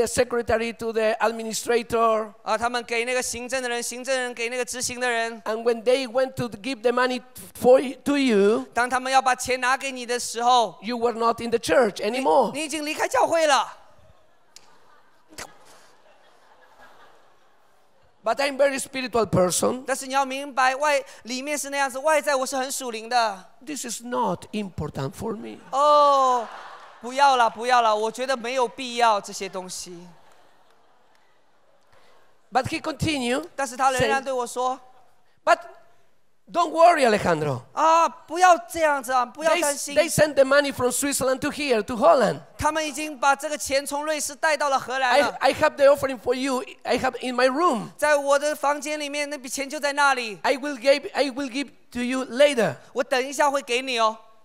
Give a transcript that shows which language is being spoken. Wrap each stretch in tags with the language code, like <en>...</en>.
<en>The secretary. To the administrator.</en> <zh>他们给那个行政的人，行政人给那个执行的人。</zh> <en>And when they went to give the money for to you,</en> <zh>当他们要把钱拿给你的时候</zh> <en>，you were not in the church anymore.</en> <zh>你已经离开教会了。</zh> <en>But I'm a very spiritual person.</en> <zh>但是你要明白，外里面是那样子，外在我是很属灵的。</zh> <en>This is not important for me.</en> <zh>哦，不要了，不要了，我觉得没有必要这些东西。</zh> <en>But he continued.</en> <zh>但是他仍然对我说</zh> <en>But don't worry, Alejandro.</en> <zh>不要这样子啊，不要担心。</zh> <en>They sent the money from Switzerland to here to Holland.</en> <zh>他们已经把这个钱从瑞士带到了荷兰了。</zh> <en>I have the offering for you. I have in my room.</en> <zh>在我的房间里面，那笔钱就在那里。</zh> <en>I will give to you later.</en> <zh>我等一下会给你哦。</zh>